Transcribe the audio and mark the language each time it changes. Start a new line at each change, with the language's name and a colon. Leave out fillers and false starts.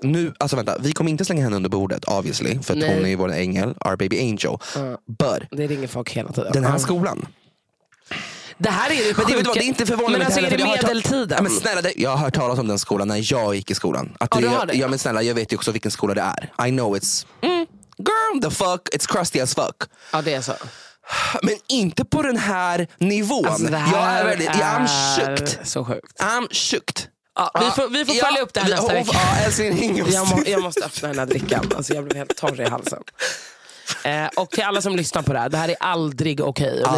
Swedish: Nu, alltså vänta, vi kommer inte slänga henne under bordet, obviously, för att hon är ju vår ängel,
English: our baby angel. But
Swedish: det ringer folk hela tiden. Den här skolan. Det här är ju sjukt. Det är inte förvånande. Men alltså, är det medeltiden? Ja, men snälla, jag har hört talas om den skolan när jag gick i skolan. Att det, ja, men snälla, jag vet ju också vilken skola det är.
English: I know it's girl, the fuck, it's crusty as fuck.
Swedish: Ja, det är så. Men inte på den här nivån. Alltså, det här, jag är väldigt, jag är sjukt. Så sjukt.
English: I'm
Swedish: sjukt. Ja, vi får följa upp det här nästa vecka. Ja, älskling, jag måste öppna den här drickan. Alltså, jag blev helt torr i halsen. Och till alla som lyssnar på det här är aldrig okej. Okay.